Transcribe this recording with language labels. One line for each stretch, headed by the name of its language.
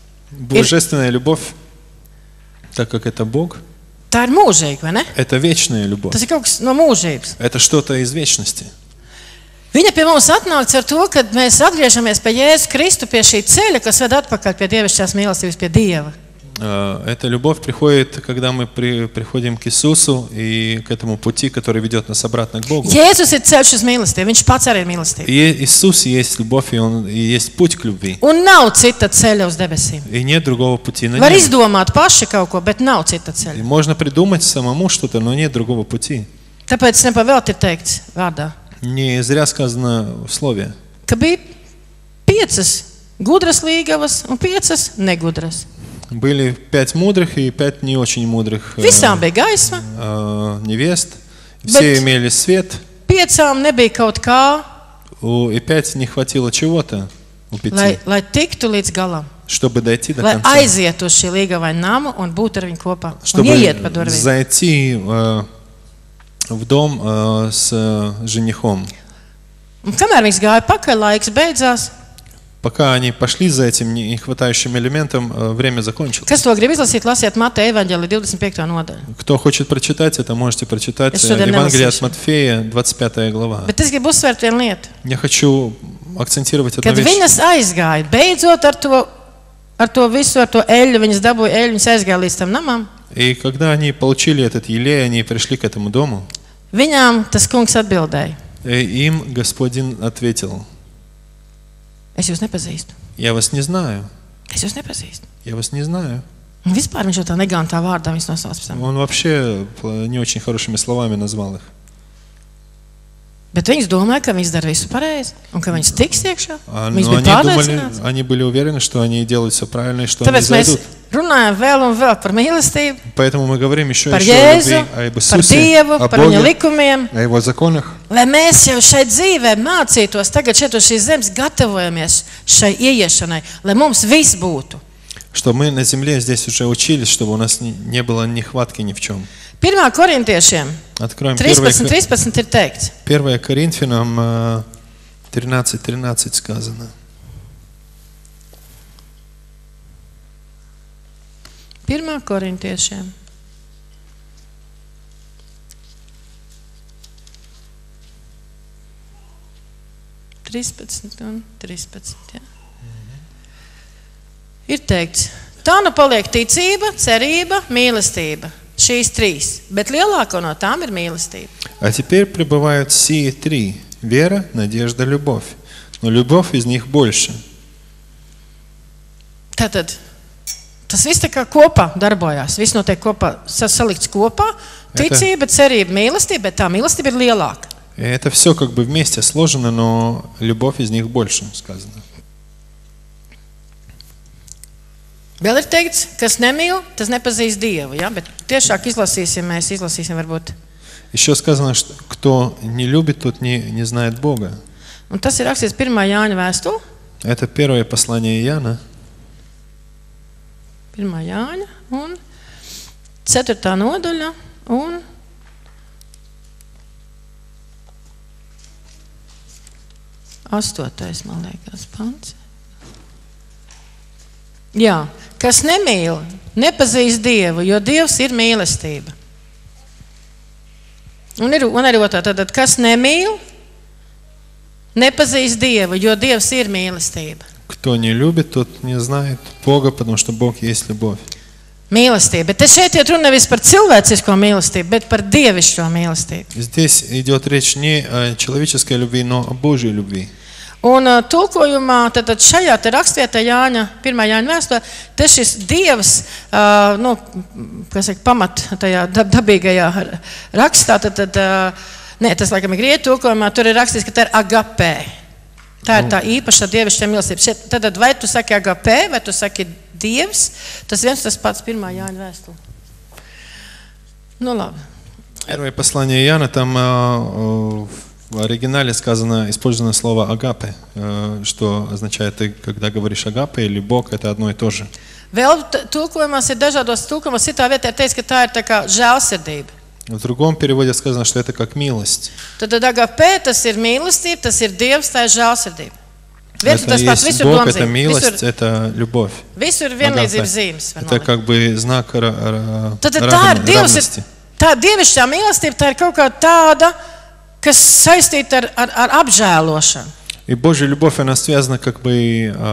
Russian: Божественная любовь, так как это Бог, это вечная любовь. Это что-то из вечности.
Latvian: Viņa pie mums atnāca ar to, kad mēs atgriežamies pie Jēzus Kristu, pie šī ceļa, kas ved atpakaļ pie dievišķās mīlestības, pie Dieva.
Russian: Эта любовь приходит, когда мы приходим к Иисусу и к этому пути, который ведет нас обратно к Богу.
Latvian: Jēzus ir ceļš uz mīlestību, viņš pats arī ir mīlestība.
Russian: Иисус есть любовь, и он есть путь к любви.
Latvian: Un nav cita ceļa uz debesīm.
Russian: И нет другого пути на небо.
Latvian: Var izdomāt paši kaut ko, bet nav cita ceļa.
Russian: Можно придумать самому что-то, но нет другого пути.
Latvian: Tāpēc nepavēlt ir teikts vārdā.
Russian: Не зря сказано в слове.
Latvian: Ka bija piecas gudras līgavas un piecas negudras.
Russian: Были пять мудрых и пять не очень мудрых.
Latvian: Visām bija gaisma.
Russian: Невест. Все имели свет.
Latvian: Piecām nebija kaut kā.
Russian: И пять не хватило чего-то.
Latvian: Lai tiktu līdz galam.
Russian: Чтобы дойти до конца.
Latvian: Lai aizietu uz šī līgavai namu un būt ar viņu kopā. Un ieiet pa durvīm.
Russian: Чтобы зайти в дом с женихом.
Latvian: Un kamēr viņš gāja pakaļ, laiks beidzās.
Russian: Пока они пошли за этим нехватающим элементом, время закончилось.
Latvian: Kas to grib izlasīt, lasiet Mateja evaņģēlī 25. Nodaļu.
Russian: Кто хочет прочитать, это можете прочитать Евангелие от Матфея, 25. Глава.
Latvian: Bet es gribu uzsvērt vienu lietu.
Russian: Я хочу акцентировать одну вещь.
Latvian: Kad viņas aizgāja, beidzot ar to ar to visu, ar to eļļu, viņas dabūja eļļu, viņas aizgāja līdz tam namam.
Russian: И когда они получили этот елей, они пришли к этому дому.
Latvian: Viņām tas kungs atbildēja.
Russian: Им господин ответил.
Latvian: Es jūs nepazīstu.
Russian: Я вас не знаю.
Latvian: Es jūs nepazīstu.
Russian: Я вас не знаю.
Latvian: Un vispār viņš jau tā negantā vārdā viņus nosauc.
Russian: Он вообще не очень хорошими словами назвал их.
Latvian: Bet viņas domāja, ka viņas dar visu pareizi, un ka viņas tiks iekšā. Mēs bija pārliecināts.
Russian: Они были уверены, что они делают все правильно, и что они зайдут.
Latvian: Runājam vēl un vēl par mīlestību.
Russian: Поэтому мы говорим ещё и ещё о
Latvian: Dievu, par Viņa likumiem,
Russian: о Его законах.
Latvian: Lai mēs jau šeit dzīvē mācītos, tagad šeit uz šīs zemes gatavojamies šai ieiešanai, lai mums viss būtu.
Russian: Что мы на земле здесь уже учились, чтобы у нас не было нехватки ни в чём.
Latvian: 1. Korintiešiem.
Russian: Откроем
Latvian: 13:13 ir teikts. 1.
Russian: Korintiešiem 13:13 сказано.
Latvian: 1. Korintiešiem. 13:13, ja. Ir teikts, tā nu paliek ticība, cerība, mīlestība. Šīs trīs. Bet lielāko no tām ir mīlestība.
Russian: А теперь прибывают сие три. Вера, надежда, любовь. Но любовь из них больше.
Latvian: Tātad, tas viss tā kā kopā darbojās. Viss notiek kopā, salikts kopā. Ticība, cerība, mīlestība, bet tā mīlestība ir lielāka.
Russian: Это все как бы вместе сложено, но любовь из них больше, сказано.
Latvian: Vēl ir teikts, kas nemīl, tas nepazīst Dievu, ja? Bet tiešāk izlasīsim, mēs izlasīsim varbūt.
Russian: Ещё сказано, что кто не любит, тот не знает Бога.
Latvian: Un tas ir rakstīts 1. Jāņa vēstulē.
Russian: Это первое послание Иоанна.
Latvian: 1. Jāņa un 4. Nodaļa un 8. Man liekas, pants. Jā, kas nemīl, nepazīst Dievu, jo Dievs ir mīlestība. Un ir un arī otrā, tad kas nemīl, nepazīst Dievu, jo Dievs ir mīlestība.
Russian: Кто не любит, тот не знает Бога, потому что Бог есть любовь.
Latvian: Mīlestība, bet es šeit runu nevis par cilvēcisko mīlestību, bet par dievišķo mīlestību.
Russian: Здесь идёт речь не о человеческой любви, но о Божьей любви.
Latvian: Un tulkojumā, tad šajā te rakstvietā Jāņa, 1. Jāņa vēstulē, te šis Dievs, nu, kas saka, pamat tajā dabīgajā rakstā, tad nē, tas laikam ir grieķu tulkojumā, tur ir rakstīts, ka tā ir agapē. Tā ir tā īpaša dievišķa mīlestība. Tad vai tu saki agapē, vai tu saki Dievs, tas viens tas pats 1. Jāņa vēstulē. Nu, labi. Pirmajā paslānie Jāņa, tam...
Russian: В оригинале сказано, использовано слово агапе, что означает, когда говоришь агапе или Бог, это одно и то же.
Latvian: Vēl tulkojumās ir dažādos tulkojumās, citā vietā ir teicis, ka tā ir tā kā žēlsirdība.
Russian: В другом переводе сказано, что это как милость.
Latvian: Tad агапе, tas ir mīlestība, tas ir Dievs, tā ir žēlsirdība.
Russian: Это есть Бог, это милость, это любовь.
Latvian: Visur ir vienlīdzības zīmes.
Russian: Это как бы знак равности.
Latvian: Tā dievišķā mīlestība, tā ir kaut kā tāda, kas saistīta ar apžēlošanu.
Russian: И Божья любовь, она связана как бы